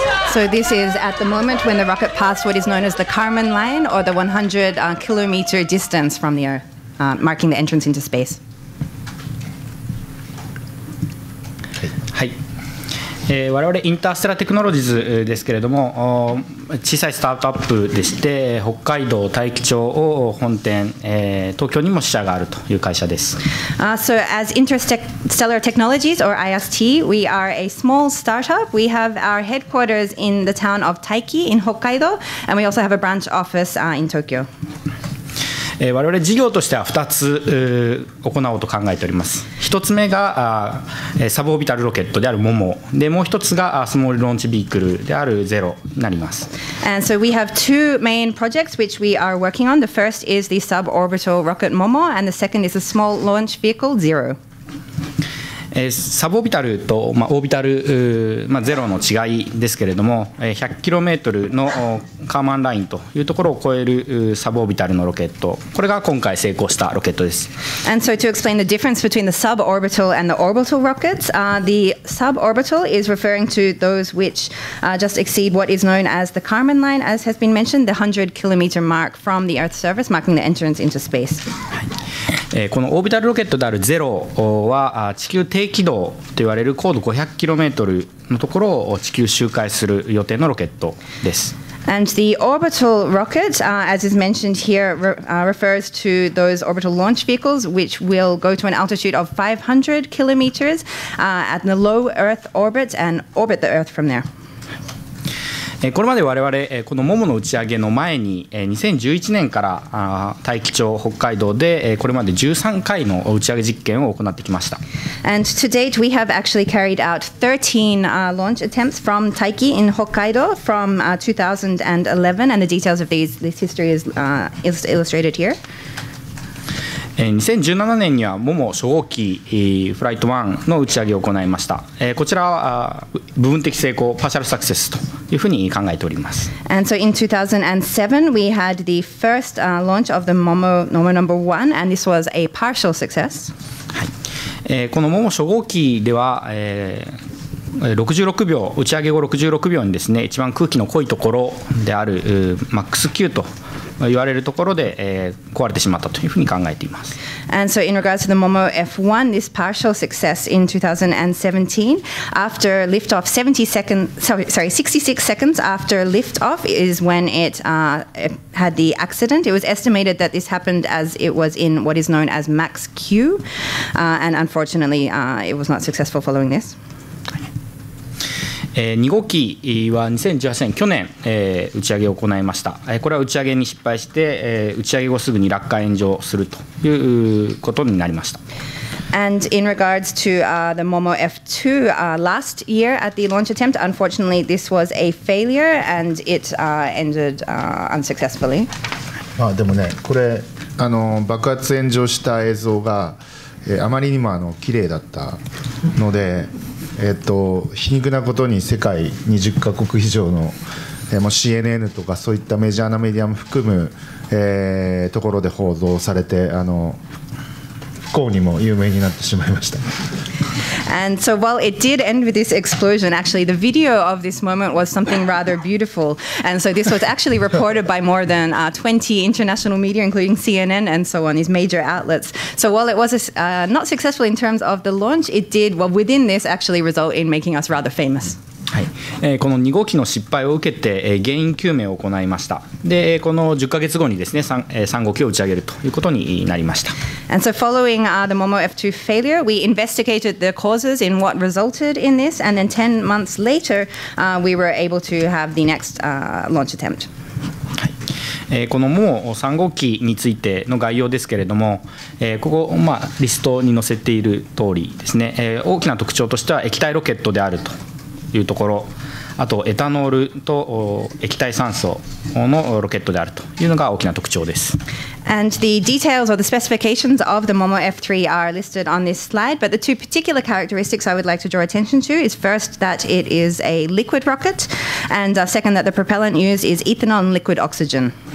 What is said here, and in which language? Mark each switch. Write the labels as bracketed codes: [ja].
[en] So this is at the moment when the rocket passed what is known as the Kármán line, or the 100 kilometer distance from the Earth, marking the entrance into space. [ja] はい、我々インターステラテクノロジーズですけれども、小さいスタートアップでして、北海道大樹町を本店、東京にも支社があるという会社です。 [en] So as Interstellar Technologies or IST, we are a small startup. We have our headquarters in the town of Taiki in Hokkaido, and we also have a branch office in Tokyo. [ja] 我々事業としては2つ行おうと考えております。 1つ目がサブオービタルロケットであるモモで、もう1つがスモールローンチビークルであるゼロになります。 [en] And so we have two main projects which we are working on. The first is the suborbital rocket Momo, and the second is a small launch vehicle Zero. [ja] サブオービタルと、まあ、オービタル、まあ、ゼロの違いですけれども、100km のカーマンラインというところを超えるサブオービタルのロケット、これが今回成功したロケットです。 [en] And so to explain the difference between the suborbital and the orbital rockets, the suborbital is referring to those which just exceed what is known as the Kármán line, as has been mentioned, the 100km mark from the Earth's surface, marking the entrance into space. [ja] このオービタルロケットであるゼロは地球低軌道といわれる高度 500km のところを地球周回する予定のロケットです。 [en] And the orbital rocket, as is mentioned here, refers to those orbital launch vehicles which will go to an altitude of 500km at the low Earth orbit and orbit the Earth from there. [ja] これまで我々このモモの打ち上げの前に2011年から大樹町北海道でこれまで13回の打ち上げ実験を行ってきました。 [en] And to date we have actually carried out 13 launch attempts from Taiki in Hokkaido from 2011, and the details of these, this history is, illustrated here. [ja] 2017年にはモモ初号機フライト1の打ち上げを行いました。こちらは部分的成功、パーシャルサクセスというふうに考えております。 [en] And so in 2007 we had the first launch of the Momo Number One, and this was a partial success. [ja] はい。このモモ初号機では、66秒、打ち上げ後66秒にですね、一番空気の濃いところであるマックス Q と。言われるところで、壊れてしまったというふうに考えています。 [en] And so in regards to the Momo F1, this partial success in 2017, after liftoff 66 seconds after liftoff is when it, had the accident. It was estimated that this happened as it was in what is known as Max Q, and unfortunately, it was not successful following this. [ja] 2号機は2018年去年、打ち上げを行いました。これは打ち上げに失敗して、打ち上げ後すぐに落下炎上するということになりました。 [en] And in regards to、the Momo F2、last year at the launch attempt, unfortunately this was a failure and it、ended、unsuccessfully. [ja] まあでもね、これ爆発炎上した映像が、あまりにも綺麗だったので皮肉なことに世界20カ国以上の、もう CNN とかそういったメジャーなメディアも含む、ところで報道されて不幸にも有名になってしまいました。 [en] And so while it did end with this explosion, actually the video of this moment was something rather beautiful. And so this was actually reported by more than 20 international media, including CNN and so on, these major outlets. So while it was not successful in terms of the launch, it did, well, within this actually result in making us rather famous. [ja] はい、この2号機の失敗を受けて、原因究明を行いました。で、この10ヶ月後にですね、3号機を打ち上げるということになりました。 [en] And so following, the Momo F2 failure, we investigated the causes in what resulted in this, and then 10 months later, we were able to have the next, launch attempt. [ja] このモモ3号機についての概要ですけれども、ここ、まあ、リストに載せている通りですね、大きな特徴としては液体ロケットであると。というところ、あとエタノールと液体酸素のロケットであるというのが大きな特徴です。 [en] And the details or the specifications of the Momo F3 are listed on this slide, but the two particular characteristics I would like to draw attention to is first that it is a liquid rocket, and second that the propellant used is ethanol and liquid oxygen.